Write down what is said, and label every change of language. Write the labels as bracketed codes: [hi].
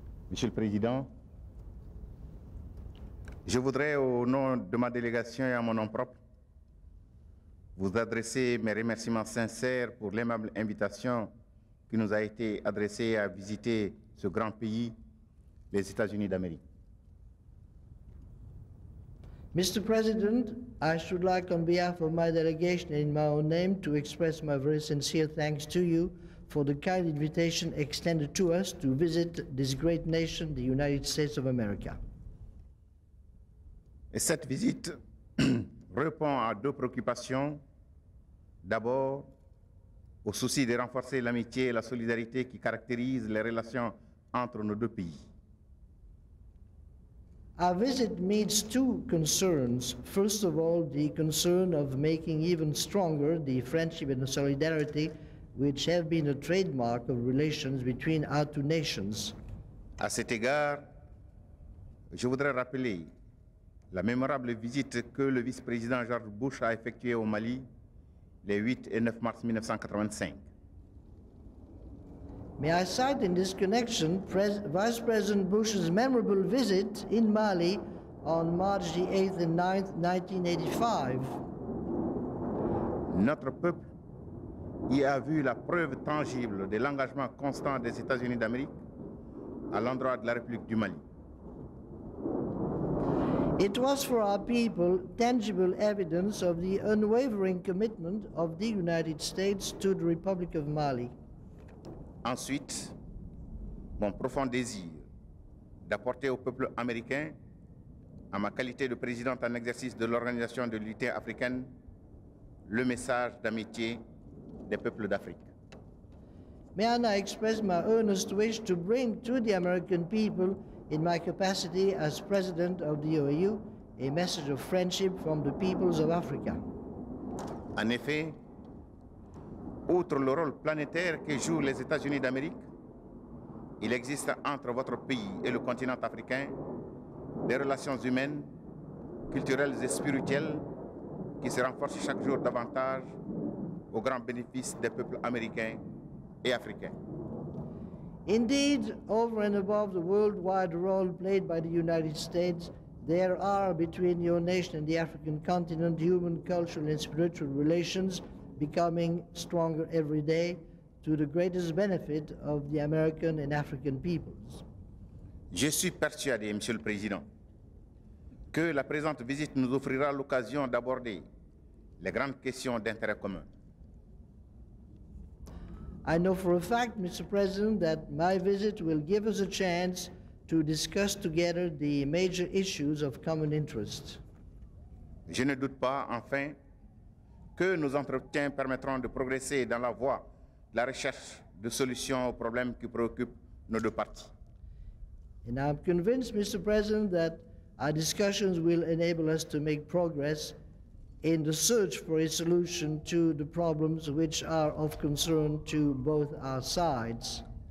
[fr] Monsieur le Président, je voudrais, au nom de ma délégation et à mon nom propre, vous adresser mes remerciements sincères pour l'aimable invitation qui nous a été adressée à visiter ce grand pays, les États-Unis d'Amérique. [en] Mr. President, I should like, on behalf of my delegation and in my own name, to express my very sincere thanks to you for the kind invitation extended to us to visit this great nation, the United States of America. [fr] Et cette visite répond à deux préoccupations. D'abord, au souci de renforcer l'amitié et la solidarité qui caractérisent les relations entre nos deux pays. [en] Our visit meets two concerns. First of all, the concern of making even stronger the friendship and the solidarity which have been a trademark of relations between our two nations. [fr] À cet égard, je voudrais rappeler la mémorable visite que le vice-président George Bush a effectuée au Mali les 8 et 9 mars 1985. [en] May I cite in this connection Vice President Bush's memorable visit in Mali on March the 8th and 9th, 1985. [fr] Notre peuple y a vu la preuve tangible de l'engagement constant des États-Unis d'Amérique à l'endroit de la République du Mali. [en] It was for our people tangible evidence of the unwavering commitment of the United States to the Republic of Mali. [fr] Ensuite, mon profond désir d'apporter au peuple américain, en ma qualité de présidente en exercice de l'Organisation de l'Unité africaine, le message d'amitié des peuples d'Afrique. [en] May I now express my earnest wish to bring to the American people, in my capacity as president of the OAU, a message of friendship from the peoples of Africa. [fr] En effet, outre le rôle planétaire que jouent les États-Unis d'Amérique, il existe entre votre pays et le continent africain des relations humaines, culturelles et spirituelles qui se renforcent chaque jour davantage au grand bénéfice des peuples américains et africains. [en] Indeed, over and above the worldwide role played by the United States, there are between your nation and the African continent human, cultural and spiritual relations becoming stronger every day to the greatest benefit of the American and African peoples. [fr] Je suis persuadé, Monsieur le Président, que la présente visite nous offrira l'occasion d'aborder les grandes questions d'intérêt commun. [en] I know for a fact, Mr. President, that my visit will give us a chance to discuss together the major issues of common interest. [fr] Je ne doute pas, enfin, que nos entretiens permettront de progresser dans la voie de la recherche de solutions aux problèmes qui préoccupent nos deux parties. [en] And I'm convinced, Mr. President, that our discussions will enable us to make progress in the search for a solution to the problems which are of concern to both our sides.